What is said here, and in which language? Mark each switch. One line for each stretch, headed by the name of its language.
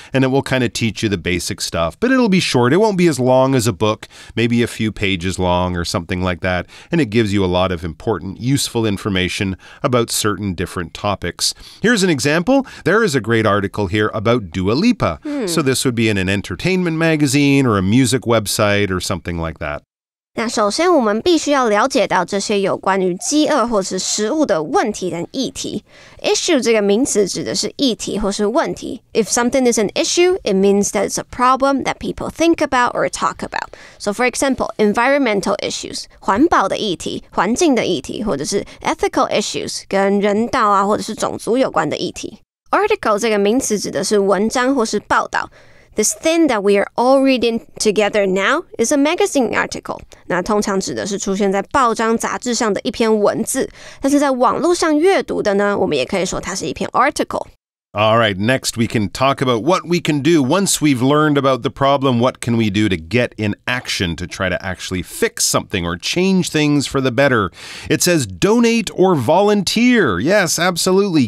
English: And it will kind of teach you the basic stuff, but it'll be short. It won't be as long as a book, maybe a few pages long or something like that. And it gives you a lot of important, useful information about certain different topics. Here's an example. There is a great article here about Dua Lipa. So this would be in an entertainment magazine or a music website or something like that.
Chinese: 那首先我们必须要了解到这些有关于饥饿或是食物的问题跟议题。 Issue 这个名词指的是议题或是问题。
English: If something is an issue, it means that it's a problem that people think about or talk about. So for example, environmental issues,
Chinese: 环保的议题、环境的议题，或者是
English: ethical issues,
Chinese: 跟人道啊或者是种族有关的议题。 Article 这个名词指的是文章或是报道。
English: This thing that we are all reading together now is a magazine article.
Chinese: 那通常指的是出现在报章杂志上的一篇文字。但是在网络上阅读的呢，我们也可以说它是一篇 article。
English: All right, next we can talk about what we can do. Once we've learned about the problem, what can we do to get in action to try to actually fix something or change things for the better? It says donate or volunteer. Yes, absolutely.